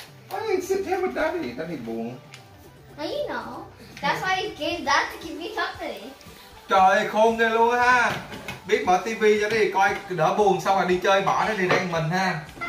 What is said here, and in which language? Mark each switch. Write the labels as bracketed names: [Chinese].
[Vietnamese] Ai, xin thêm một đá đi, đá đi buồn. [English] Well, you know. That's why I gave that to keep me company. [Vietnamese] Trời ơi, khôn ghê luôn ha. Biết mở tivi cho đi, coi đỡ buồn xong rồi đi chơi bỏ nó đi đây một mình ha.